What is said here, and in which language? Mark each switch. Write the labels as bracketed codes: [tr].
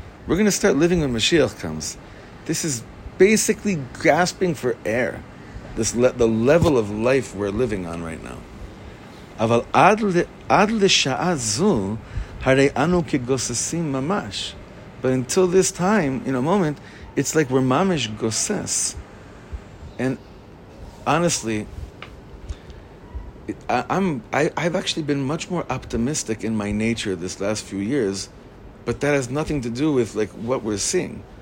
[en] We're going to start living when Mashiach comes. This is basically gasping for air. This the level of life we're living on right now. [he] אבל עד לשעה זו, הרי אנו כגוססים ממש. [en] But until this time, in a moment, it's like we're mamish goses. And honestly, I've actually been much more optimistic in my nature this last few years, but that has nothing to do with like what we're seeing.